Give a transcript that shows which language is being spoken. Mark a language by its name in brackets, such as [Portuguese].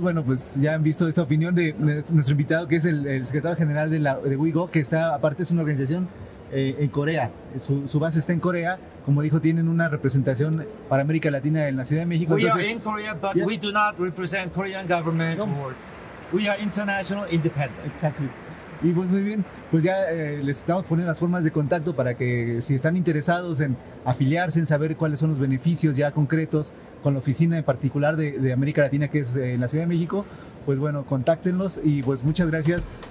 [Spanish] Bueno, pues ya han visto esta opinión de nuestro invitado, que es el secretario general de WeGo, que está, aparte, es una organización en Corea. Su base está en Corea. Como dijo, tienen una representación para América Latina en la Ciudad de México. [English] Entonces, we are in Korea, but we do not represent Korean government. No. We are international independent. Exactly. [Spanish] Y pues muy bien, pues ya les estamos poniendo las formas de contacto para que si están interesados en afiliarse, en saber cuáles son los beneficios ya concretos con la oficina en particular de América Latina, que es en la Ciudad de México, pues bueno, contáctenlos y pues muchas gracias.